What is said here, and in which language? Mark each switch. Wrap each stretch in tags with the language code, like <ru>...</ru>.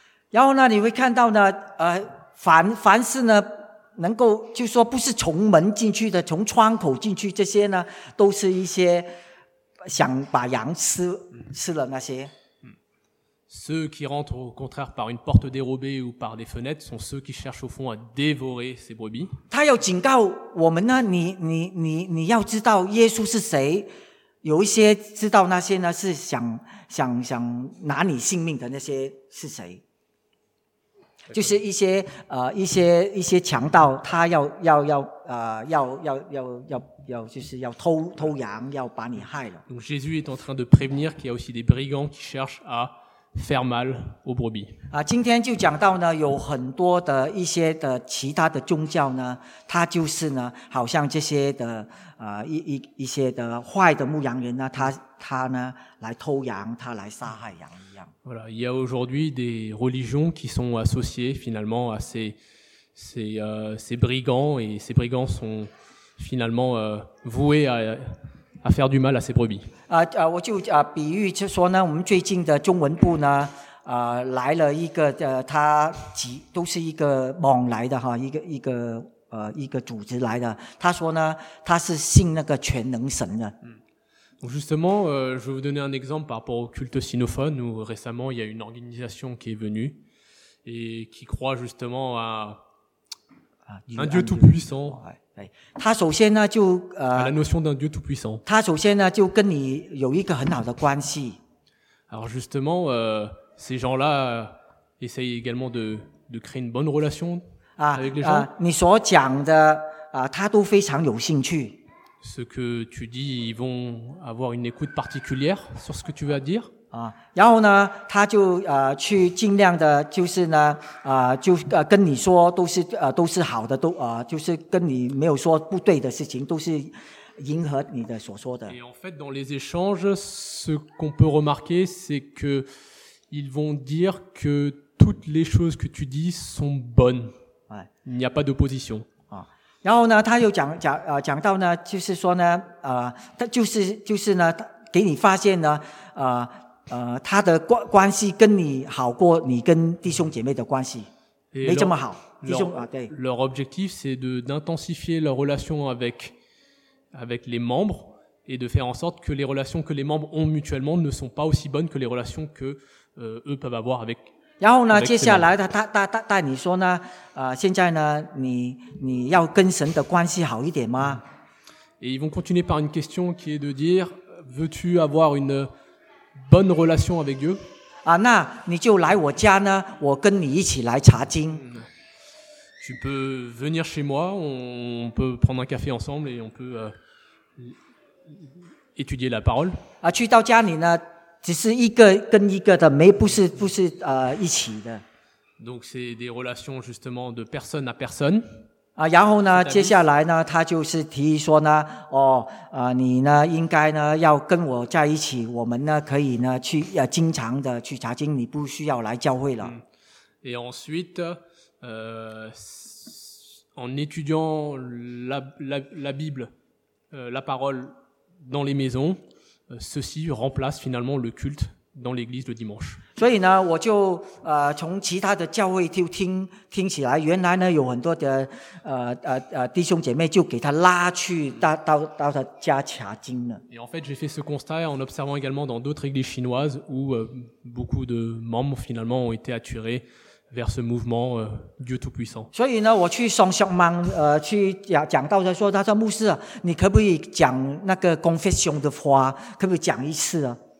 <zh>然后呢，你会看到呢，凡是呢。能够就说不是从门进去的，从窗口进去，这些呢，都是一些想把羊吃了那些。</zh> <fr>Ceux qui rentrent au contraire par une porte dérobée ou par des fenêtres sont ceux qui cherchent au fond à dévorer ces brebis.</fr> <zh>他要警告我们呢，你要知道耶稣是谁，有一些知道那些呢是想拿你性命的那些是谁。就是一些强盗，他要就是要偷羊，要把你害了。</zh> <fr>Donc Jésus est en train de prévenir qu'il y a aussi des brigands qui cherchent à faire mal aux brebis.</fr> <zh>啊，今天就讲到呢，有很多的一些的其他的宗教呢，它就是呢，好像这些的啊、一些的坏的牧羊人呢，他呢来偷羊，他来杀害羊一样。</zh> <fr>Voilà, il y a aujourd'hui des religions qui sont associées finalement à ces brigands et ces brigands sont finalement voués à faire du mal à ses brebis.</fr> <zh>我就比喻就说呢，我们最近的中文部呢，来了一个他几都是一个蒙来的哈，一个组织来的。他说呢，他是信那个全能神的。</zh> <fr>Donc justement, je vais vous donner un exemple par rapport au culte sinophone où récemment il y a une organisation qui est venue et qui croit justement à un Dieu tout puissant.</fr> <zh>他首先呢就</zh> <fr>La notion d'un Dieu tout puissant.</fr> <zh>他首先呢就跟你有一个很好的关系。</zh> <fr>Alors justement, ces gens-là essayent également de créer une bonne relation avec les gens.</fr> <zh>你所讲的他都非常有兴趣。</zh> <fr>Ce que tu dis, ils vont avoir une écoute particulière sur ce que tu vas dire.</fr> <zh>然后呢，他就去尽量的，就是呢，就跟你说都是好的，都就是跟你没有说不对的事情，都是迎合你的所说的。</zh> <fr>Et en fait, dans les échanges, ce qu'on peut remarquer, c'est que ils vont dire que toutes les choses que tu dis sont bonnes. Il n'y a pas d'opposition.</fr> <zh>然后呢，他又讲到呢，就是说呢，就是呢，给你发现呢，他的关系跟你好过你跟弟兄姐妹的关系，没这么好。弟兄啊，对。</zh> <fr>Leur objectif c'est d'intensifier leur relation avec les membres et de faire en sorte que les relations que les membres ont mutuellement ne sont pas aussi bonnes que les relations que eux peuvent avoir avec.</fr> <zh>然后呢，接下来的他带你说呢，现在呢，你要跟神的关系好一点吗</zh> <fr>？Et ils vont continuer par une question qui est de dire, veux-tu avoir une bonne relation avec Dieu？</fr> <zh>啊，那你就来我家呢，我跟你一起来查经。</zh> <fr>Tu peux venir chez moi, on peut prendre un café ensemble et on peut étudier la parole。</fr> <zh>啊，去到家里呢？只是一个跟一个的，没不是一起的。</zh> <fr>Donc c'est des relations justement de personne à personne。</fr> <zh>啊，然后呢，接下来呢，他就是提议说呢，你呢应该呢要跟我在一起，我们呢可以呢去经常的去查经，你不需要来教会了。</zh> <fr>Et ensuite, en étudiant la Bible, la parole dans les maisons. Ceci remplace finalement le culte dans l'église le dimanche.</fr> <zh>所以呢，我就从其他的教会就听起来，原来呢有很多的弟兄姐妹就给他拉去到他家查经了。</zh> <fr>Et en fait, j'ai fait ce constat en observant également dans d'autres églises chinoises où beaucoup de membres finalement ont été attirés vers ce mouvement Dieu Tout-Puissant.</fr> <zh>所以呢，我去双向忙去讲到他说，他说牧师啊，你可不可以讲那个 confession 的话，可不可以讲一次啊？</zh>